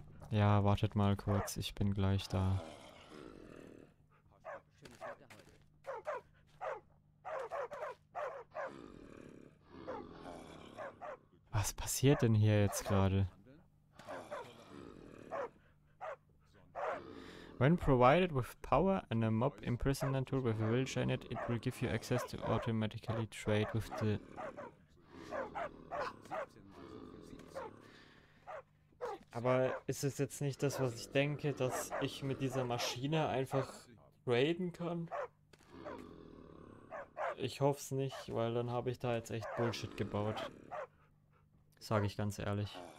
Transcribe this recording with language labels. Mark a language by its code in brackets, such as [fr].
[de] Ja, wartet mal kurz, ich bin gleich da. Was passiert denn hier jetzt gerade? [en] When provided with power and a mob imprisonment tool with a wheelchair in it, it will give you access to automatically trade with the... [de] Aber ist es jetzt nicht das, was ich denke, dass ich mit dieser Maschine einfach traden kann? Ich hoffe es nicht, weil dann habe ich da jetzt echt Bullshit gebaut. Sage ich ganz ehrlich.